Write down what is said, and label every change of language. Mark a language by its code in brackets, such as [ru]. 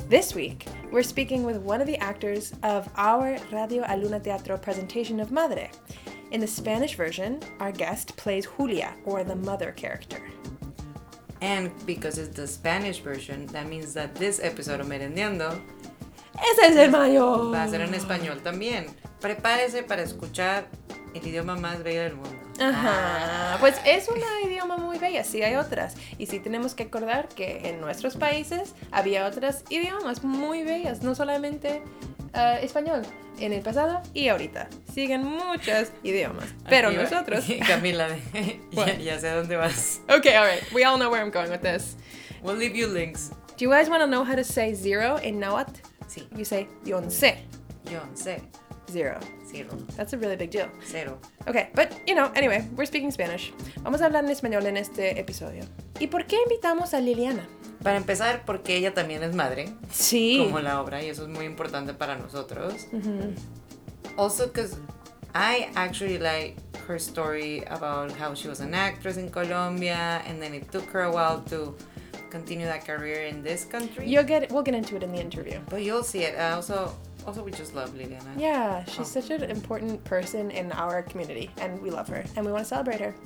[en] This week, we're speaking with one of the actors of our Radio Aluna Teatro presentation of Madre. In the Spanish version, our guest plays Julia, or the mother character. And because it's the Spanish version, that means that this episode of Merendiendo... [es] ¡Ese es el mayor! ...va a ser en español también. Prepárese para escuchar el idioma más bello del mundo. Ajá, pues es un idioma muy bello, sí hay otras. Y sí tenemos que acordar que en nuestros países había otros idiomas muy bellos, no solamente español, en el pasado y ahorita. Siguen muchos idiomas, pero aquí nosotros... Camila, ya sé dónde vas. [en] Okay, all right, we all know where I'm going with this. We'll leave you links. Do you guys want to know how to say zero in Nahuatl? [es] Sí. [en] You say yonse. [nah] Yonse. [en] Zero. Zero. That's a really big deal. Zero. Okay, but, you know, anyway, we're speaking Spanish. [es] Vamos a hablar en español en este episodio. ¿Y por qué invitamos a Liliana? Para empezar, porque ella también es madre. Sí. Como la obra, y eso es muy importante para nosotros. Mm-hmm. [en] Also, because I actually like her story about how she was an actress in Colombia, and then it took her a while to continue that career in this country. We'll get into it in the interview. But you'll see it. Also, we just love Liliana. Yeah, she's such an important person in our community, and we love her, and we want to celebrate her.